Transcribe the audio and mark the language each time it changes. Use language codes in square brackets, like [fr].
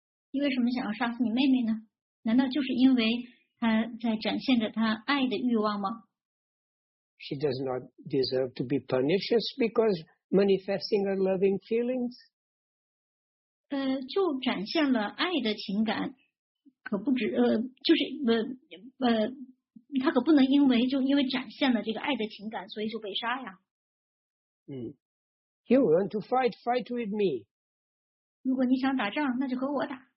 [zh] 你为什么想要杀死你妹妹呢？难道就是因为他在展现着他爱的欲望吗？ [en] She does not deserve to be punished because manifesting her loving feelings. [zh] 就展现了爱的情感，可不止就是他可不能因为展现了这个爱的情感，所以就被杀呀。 [en] You want to fight with me? [zh] 如果你想打仗，那就和我打。